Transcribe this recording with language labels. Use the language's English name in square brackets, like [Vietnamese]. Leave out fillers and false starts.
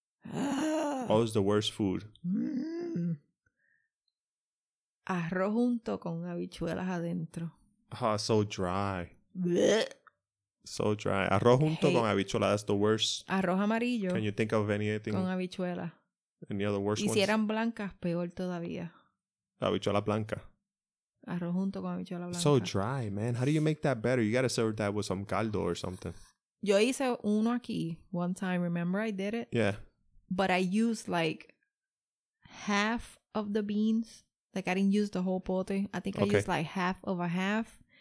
[English] What was the worst food? [Spanish] arroz junto con habichuelas adentro. [English] Oh, so dry. Blech. So dry. [Spanish] Arroz junto con habichuelas, that's the worst. Arroz amarillo. [English] Can you think of anything? [Spanish] Con habichuelas. [English] Any other worst ones? [Spanish] Y si eran blancas, peor todavía. Habichuela blanca. Arroz junto con habichuela blanca. [English] So dry, man. How do you make that better? You gotta serve that with some caldo or something. Yo hice uno aquí one time. Remember I did it? Yeah. But I used like half of the beans. Like I didn't use the whole pote. I think I used like half of a half.